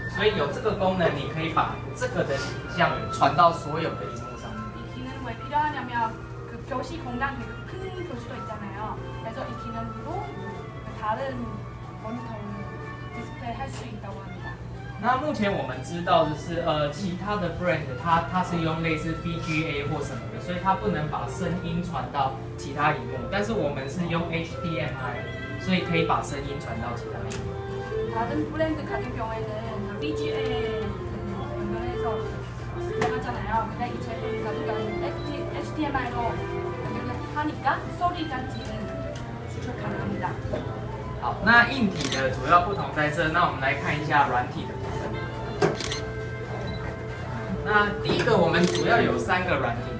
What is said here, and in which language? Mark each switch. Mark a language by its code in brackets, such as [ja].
[zh] 所以有这个功能，你可以把这个的影像传到所有的荧幕上。 [ko] 이기능왜필요하냐면그교실공간그큰교실도있잖아요그래서이기능으로다른모니터디스플레이할수있다고합니다 [zh] 那目前我们知道的是，其他的 brand 它是用类似 VGA 或什么的，所以它不能把声音传到其他荧幕。但是我们是用 HDMI， 所以可以把声音传到其他荧幕。 [ko] 다른 브랜드 같은 경우에는 VGA 연결해서사용하잖아요근데이제우리가 HDMI로 하니까 소리 감지는 추출 가능합니다 [zh] 好，那硬体的主要不同在这。那我们来看一下软体的部分。那第一个，我们主要有三个软体。